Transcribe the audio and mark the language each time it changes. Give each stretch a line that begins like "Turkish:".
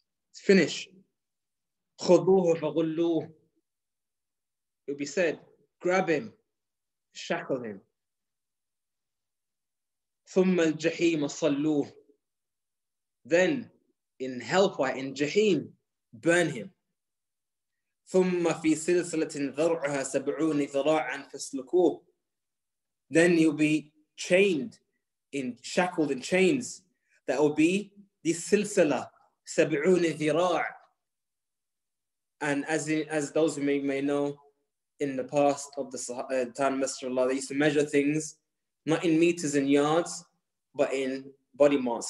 English: It's finished.
Arabic: خُضُوهُ فَغُلُّوهُ.
English: It would be said, grab him, shackle him.
Arabic: ثُمَّ الْجَحِيمَ صَلُّوهُ.
English: Then, in hellfire, in Jahim, burn him.
Arabic: ثم في سلسلة ذرعها 70 ذراعا فاسلكوه.
English: Then you'll be chained in, shackled in chains that will be the silsila 70 ذراع. And as those who may know, in the past of the time of Messenger of Allah, they used to measure things not in meters and yards, but in body mass.